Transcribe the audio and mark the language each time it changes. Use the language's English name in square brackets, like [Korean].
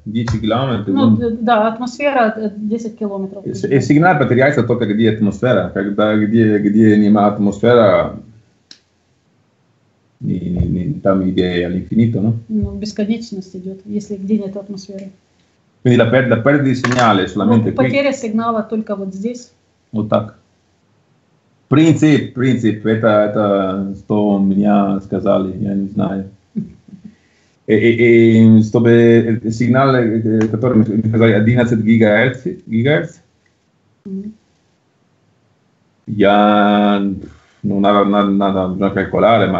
[Russian] 10 километров? Ну, да, атмосфера 10 километров. И сигнал потеряется только где атмосфера. Когда где нет атмосфера, там идея инфинита, ну? Ну, бесконечность идет, если где нет атмосферы. [Italian] Quindi la perdita di segnale solamente qui. [Russian] Потеря сигнала только вот здесь. Вот так. Принцип, это что мне сказали, я не знаю. И чтобы сигнал, который мне сказали, 11 гигагерц, я, ну, надо калькуляторе,